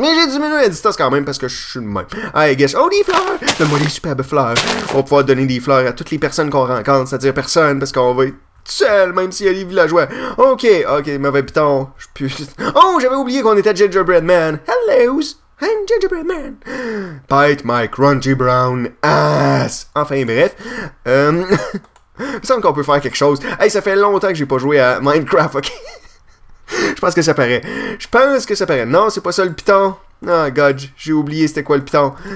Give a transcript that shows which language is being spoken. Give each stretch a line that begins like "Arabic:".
French: Mais j'ai diminué la distance quand même parce que je suis le même.
English: Hey, guess.
French: Oh, des fleurs! Donne-moi des superbes fleurs. On va pouvoir donner des fleurs à toutes les personnes qu'on rencontre, c'est-à-dire personne, parce qu'on va être seul, même s'il y a des villageois. Ok, mauvais piton. Je puis... Oh, j'avais oublié qu'on était Gingerbread Man.
English: Hello! I'm Gingerbread Man. Bite my crunchy brown ass.
French: Enfin, bref. Il semble qu'on peut faire quelque chose. Hey, ça fait longtemps que j'ai pas joué à Minecraft, ok? Je pense que ça paraît. Non, c'est pas ça le piton. Oh god, j'ai oublié c'était quoi le piton.